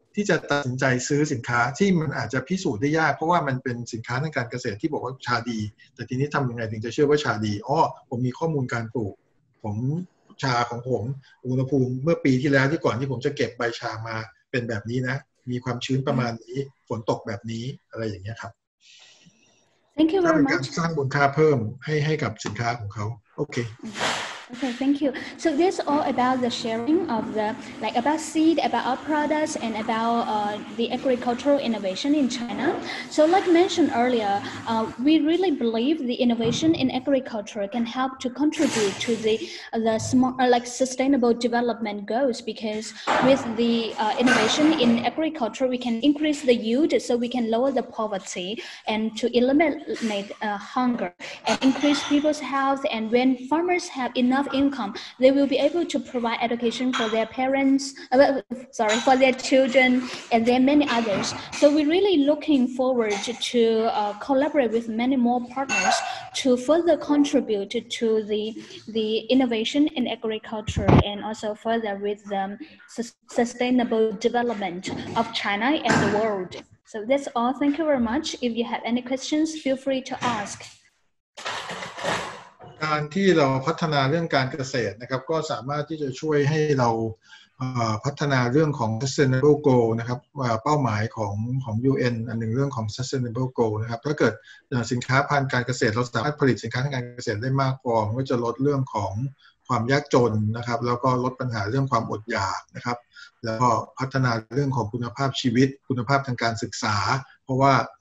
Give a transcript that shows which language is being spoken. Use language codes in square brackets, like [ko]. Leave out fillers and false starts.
[th] จะตัดสินใจซื้อสินค้าที่มันอาจจะพิสูจน์ได้ยากเพราะว่ามันเป็นสินค้าทางการเกษตรที่บอกว่าชาดีแต่ทีนี้ทำยังไงถึงจะเชื่อว่าชาดีอ้อผมมีข้อมูลการปลูกผมชาของผมอุณหภูมิเมื่อปีที่แล้วที่ก่อนที่ผมจะเก็บใบชามาเป็นแบบนี้นะมีความชื้นประมาณนี้ฝนตกแบบนี้อะไรอย่างเงี้ยครับ [en] Thank you very much [th] สร้างมูลค่าเพิ่มให้กับสินค้าของเขาโอเค [en] โอเค thank you so this all about the sharing of the like about seed about our products and about the agricultural innovation in China so like mentioned earlier we really believe the innovation in agriculture can help to contribute to the smart like sustainable development goals because with the innovation in agriculture we can increase the yield so we can lower the poverty and to eliminate hunger and increase people's health and when farmers have enough income they will be able to provide education for their parents for their children and their many others so we're really looking forward to collaborate with many more partners to further contribute to the innovation in agriculture and also further with the sustainable development of China and the world. So that's all. Thank you very much. If you have any questions, feel free to ask. [th] การที่เราพัฒนาเรื่องการเกษตรนะครับก็สามารถที่จะช่วยให้เราพัฒนาเรื่องของ sustainable goal นะครับเป้าหมายของ UN อันหนึ่งเรื่องของ sustainable goal นะครับถ้าเกิดสินค้าพันธุ์การเกษตรเราสามารถผลิตสินค้าทางการเกษตรได้มากพอมันก็จะลดเรื่องของความยากจนนะครับแล้วก็ลดปัญหาเรื่องความอดอยากนะครับแล้วก็พัฒนาเรื่องของคุณภาพชีวิตคุณภาพทางการศึกษาเพราะว่า